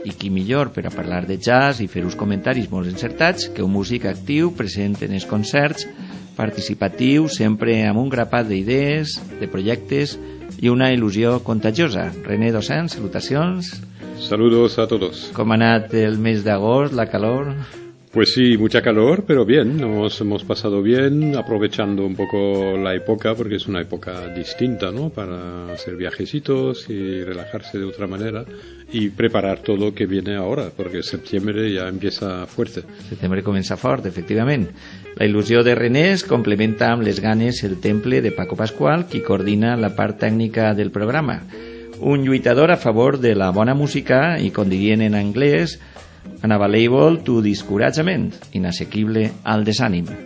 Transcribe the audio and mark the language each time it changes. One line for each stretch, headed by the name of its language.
Catalan: I qui millor per a parlar de jazz i fer uns comentaris molt encertats que un músic actiu, present en els concerts, participatiu, sempre amb un grapat d'idees, de projectes i una il·lusió contagiosa. René Dossant, salutacions.
Spanish: Saludos a todos.
Catalan: Com ha anat el mes d'agost, la calor?
Spanish: Pues sí, mucha calor, pero bien, nos hemos pasado bien, aprovechando un poco la época, porque es una época distinta, ¿no?, para hacer viajecitos y relajarse de otra manera, y preparar todo lo que viene ahora, porque septiembre ya empieza fuerte. Septiembre comienza fuerte, efectivamente.
Catalan: La il·lusió de René es complementa amb les ganes el temple de Paco Pascual, qui coordina la part tècnica del programa. Un lluitador a favor de la bona música, i com dirien en anglès,
English: unavailable to discouragement,
Catalan: inassequible al desànim.